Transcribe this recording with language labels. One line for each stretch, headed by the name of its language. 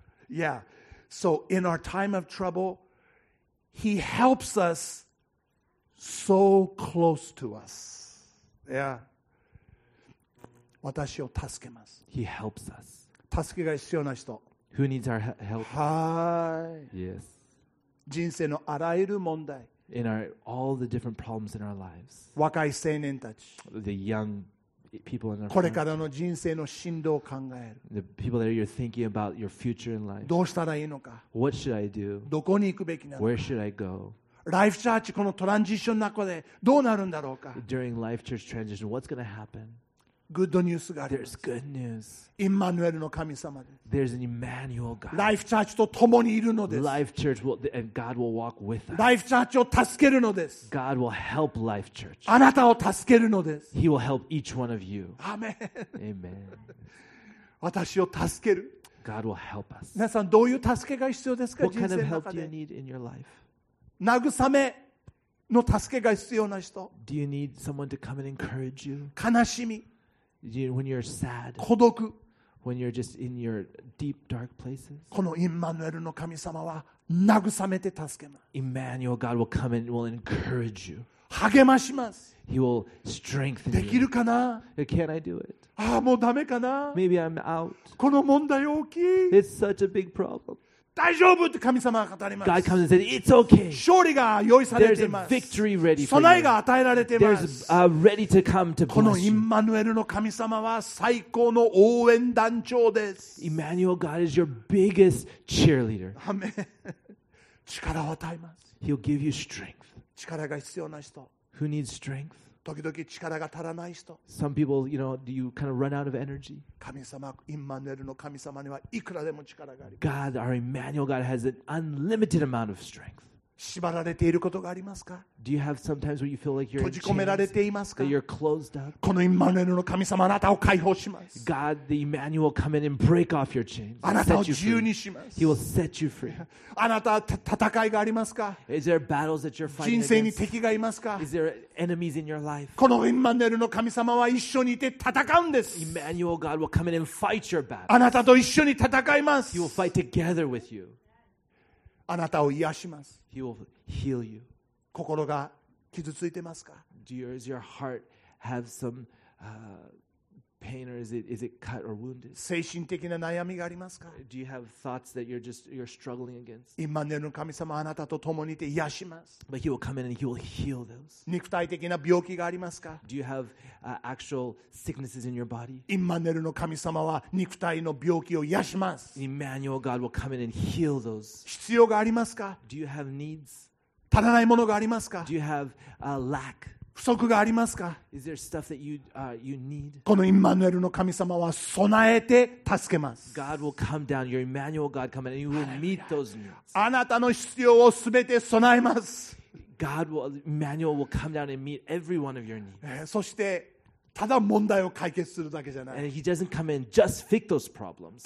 English: Yeah, so in our time of trouble, He helps us so close to us.
Japanese: Yeah, 私を助けます。
English: He helps us.
Japanese: 助けが必要な人。
English: Who needs our help?
Japanese: はい。
English: Yes.
Japanese: 人生のあらゆる問題。
English: In our, all the different problems in our lives.
Japanese: 若い青年たち。
English: The young people in our lives.
Japanese: これからの人生の進路を考える。
English: The people that you're thinking about your future in life.
Japanese: どうしたらいいのか。
English: What should I do?
Japanese: どこに行くべきなのか。
English: Where should I go?
Japanese: ライフチャーチこのトランジションの中でどうなるんだろうか。
English: During life church transition, what's going to happen?
Japanese: グッドニュースがあります。
English: There's good news.
Japanese: イマヌエルの神様です。
English: There's an Emmanuel God.
Japanese: Life Church と共にいるのです。
English: Life Church will, and God will walk with us.
Japanese: Life Church を助けるのです。
English: God will help Life Church.
Japanese: あなたを助けるのです。
English: He will help each one of you. Amen. Amen.
Japanese: 私を助ける。
English: God will help us.
Japanese: 皆さんどういう助けが必要ですか？
English: What kind of help do you need in your life?
Japanese: 慰めの助けが必要な人。
English: Do you need someone to come and encourage you?
Japanese: 悲しみ。
English: When you're sad,
Japanese: 孤独
English: when you're just in your deep dark places,
Japanese: このイマヌエルの神様は慰めて助けます。
English: Emmanuel God will come and will encourage you.
Japanese: 励まします。
English: He will strengthen you.
Japanese: できるかな?
English: Can I do it?
Japanese: ああ、もうダメかな?
English: Maybe I'm out.
Japanese: この問題大きい。
English: It's such a big problem.
Japanese: 大丈夫って神様が語ります。
English: God comes and says, "It's okay."
Japanese: 勝利が用意されています。
English: There's a victory ready for you.
Japanese: 備えが与えられています。
English: There's a ready to come to bless you.
Japanese: このイマヌエルの神様は最高の応援団長です。
English: Emmanuel God is your biggest cheerleader.
Japanese: アメン。力を与えます。
English: He'll give you strength.
Japanese: 力が必要な人。
English: Who needs strength?
Japanese: 時々力が足らない人。
English: Some people, you know, do you kind of run out of energy?
Japanese: 神様、イマヌエルの神様にはいくらでも力があります。
English: God, our Emmanuel God, has an unlimited amount of strength.
Japanese: 縛られていることがありますか?
English: Do you have sometimes where you feel like you're
Japanese: 閉じ込められていますか?
English: That you're closed up?
Japanese: このイマヌエルの神様、あなたを解放します。
English: God, the Emmanuel, come in and break off your chains.
Japanese: あなたを自由にします。
English: He will set you free.
Japanese: あなた、戦いがありますか?
English: Is there battles that you're fighting against?
Japanese: 人生に敵がいますか?
English: Is there enemies in your life?
Japanese: このイマヌエルの神様は一緒にいて戦うんです。
English: Emmanuel God will come in and fight your battles.
Japanese: あなたと一緒に戦います。
English: He will fight together with you.
Japanese: あなたを癒します。
English: He will heal you.
Japanese: 心が傷ついてますか?
English: Does your heart have some pain or is it cut or wounded?
Japanese: 精神的な悩みがありますか?
English: Do you have thoughts that you're struggling against?
Japanese: 今の神様あなたと共にいて癒します。
English: But He will come in and He will heal those.
Japanese: 肉体的な病気がありますか?
English: Do you have actual sicknesses in your body?
Japanese: 今の神様は肉体の病気を癒します。
English: Emmanuel God will come in and heal those.
Japanese: 必要がありますか?
English: Do you have needs?
Japanese: 足らないものがありますか?
English: Do you have a lack?
Japanese: 不足がありますか?
English: Is there stuff that you need?
Japanese: このイマヌエルの神様は備えて助けます。
English: God will come down. Your Emmanuel God come and you will meet those needs.
Japanese: あなたの必要をすべて備えます。
English: God will Emmanuel will come down and meet every one of your needs.
Japanese: そしてただ問題を解決するだけじゃない。
English: And he doesn't come in just fix those problems.